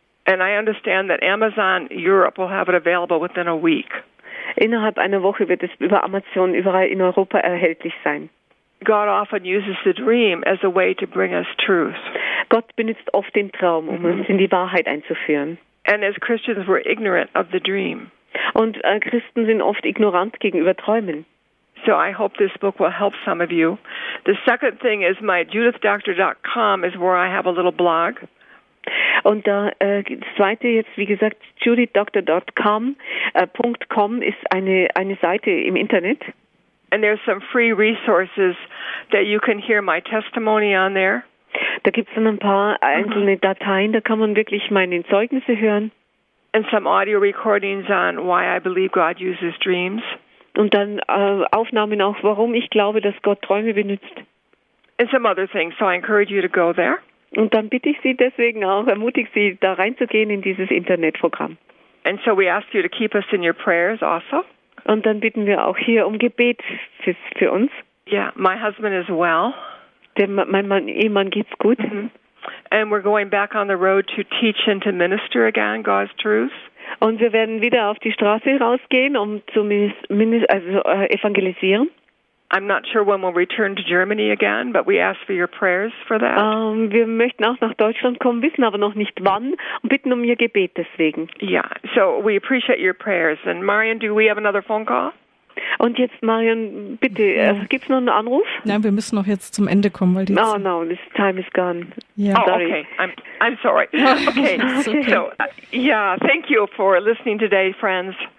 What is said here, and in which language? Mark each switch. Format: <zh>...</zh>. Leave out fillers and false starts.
<en>And I understand that Amazon Europe will have it available within a week.</en> <de>Innerhalb einer Woche wird es über Amazon überall in Europa erhältlich sein.</de> <en>God often uses the dream as a way to bring us truth.</en> <de>Gott benutzt oft den Traum, um uns in die Wahrheit einzuführen.</de> <en>And as Christians we're ignorant of the dream.</en> <de>Und Christen sind oft ignorant gegenüber Träumen.</de> <en>So I hope this book will help some of you. The second thing is my judithdoctor.com is where I have a little blog.</en> <de>Und da zweite jetzt wie gesagt judithdoctor.com .com ist eine Seite im Internet.</de> <en>And there's some free resources that you can hear my testimony on there.</en> <de>Da gibt's dann ein paar einzelne Dateien, da kann man wirklich meine Zeugnisse hören.</de> <en>And some audio recordings on why I believe God uses dreams.</en> <de>Und dann Aufnahmen auch, warum ich glaube, dass Gott Träume benutzt.</de> <en>And some other things, so I encourage you to go there.</en> <de>Und dann bitte ich Sie deswegen auch, ermutige Sie, da reinzugehen in dieses Internetprogramm.</de> <en>And so we ask you to keep us in your prayers also.</en> <de>Und dann bitten wir auch hier um Gebet für uns.</de> <en>Yeah, my husband is well.</en> <de>Denn mein Ehemann geht's gut.</de> <en>And we're going back on the road to teach and to minister again God's truth.</en> <de>Und wir werden wieder auf die Straße rausgehen, um zu evangelisieren.</de> <en>I'm not sure when we'll return to Germany again, but we ask for your prayers for that.</en> <de>Wir möchten auch nach Deutschland kommen, wissen aber noch nicht wann und bitten um Ihr Gebet deswegen.</de> <en>Yeah, so we appreciate your prayers. And Marion, do we have another phone call?</en> <de>Und jetzt, Marion, bitte, gibt es noch einen Anruf? Nein, wir müssen noch jetzt zum Ende kommen, weil die</de> <en>Zeit. No, this time is gone. Yeah. Oh, sorry. Okay. I'm sorry. Okay. So, yeah, thank you for listening today, friends.</en>